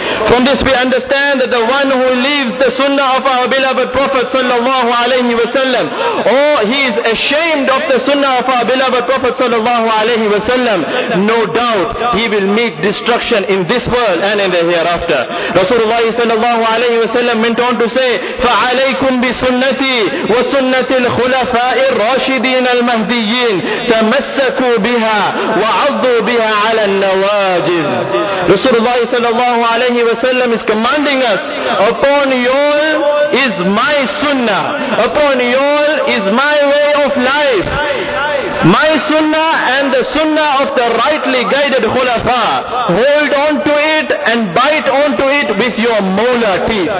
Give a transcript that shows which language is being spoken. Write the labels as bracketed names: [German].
[English] From this we understand that the one who leaves the sunnah of our beloved Prophet sallallahu alayhi wa sallam, or he is ashamed of the sunnah of our beloved Prophet sallallahu alayhi wa sallam, no doubt he will meet destruction in this world and in the hereafter. Rasulullah sallallahu alayhi wa sallam went on to say, [Arabic] فَعَلَيْكُمْ بِسُنَّتِي وَسُنَّةِ الْخُلَفَاءِ الرَّاشِدِينَ الْمَهْدِيِّينَ تَمَسَّكُوا بِهَا وَعَضُّوا بِهَا عَلَى النَّوَاجِذِ. [English] Rasulullah sallallahu alayhi wa sallam is commanding us, upon y'all is my sunnah, upon y'all is my way of life, my sunnah and the sunnah of the rightly guided khulafa. Hold on to it and bite on to it with your molar teeth.